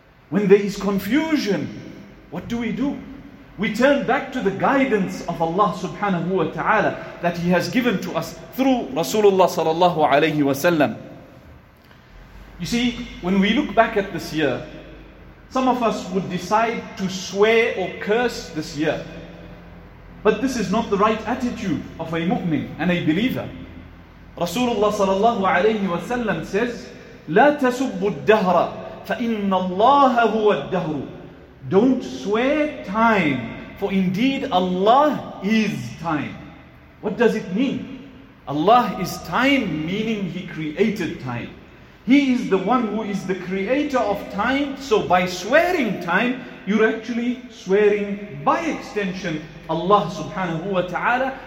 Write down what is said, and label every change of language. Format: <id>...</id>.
<en>When there is confusion, what do? We turn back to the guidance of Allah subhanahu wa ta'ala that He has given to us through Rasulullah sallallahu alayhi wa sallam. You see, when we look back at this year, some of us would decide to swear or curse this year. But this is not the right attitude of a mu'min and a believer.</en> <ar>Rasulullah sallallahu alayhi wa sallam says, لَا تَسُبُّ الدَّهْرَ فَإِنَّ اللَّهَ هُوَ الدَّهْرُ.</ar> <en>Don't swear time, for indeed Allah is time. What does it mean? Allah is time, meaning He created time. He is the one who is the creator of time. So by swearing time, you're actually swearing by extension Allah subhanahu wa ta'ala.</en>